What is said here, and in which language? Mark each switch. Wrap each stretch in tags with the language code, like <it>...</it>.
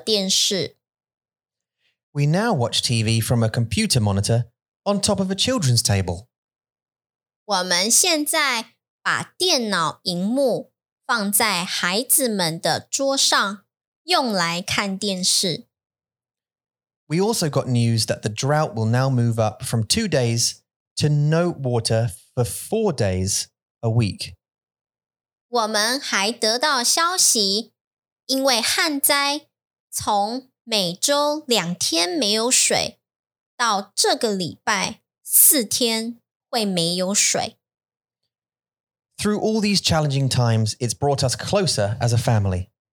<zh>电箱烧掉导致我们公寓里的一些东西也坏掉了。我们的电灯和电视。We</zh> <en>now watch TV from a computer monitor on top of a children's table.</en> <zh>我们现在 把电脑荧幕放在孩子们的桌上，用来看电视。We</zh> <en>also got news that the drought will now move up from 2 days to no water for 4 days a week.</en> <zh>我们还得到消息，因为旱灾从每周2天没有水，到这个礼拜4天会没有水。</zh> <en>Through all these challenging times, it's brought us closer as a family.</en>